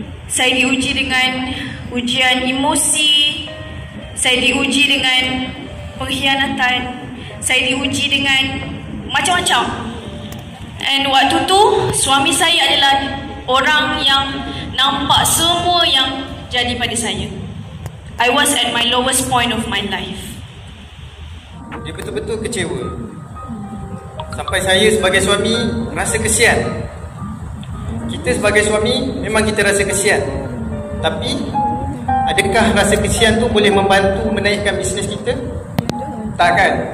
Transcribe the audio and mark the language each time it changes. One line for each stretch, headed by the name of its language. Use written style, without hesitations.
Malay: Saya diuji dengan ujian emosi. Saya diuji dengan pengkhianatan. Saya diuji dengan macam-macam. And waktu tu, suami saya adalah orang yang nampak semua yang jadi pada saya.
English: I was at my lowest point of my life.
Malay: Dia betul-betul kecewa. Sampai saya sebagai suami rasa kesian. Kita sebagai suami memang kita rasa kesian. Tapi adakah rasa kesian tu boleh membantu menaikkan bisnes kita? Tak kan?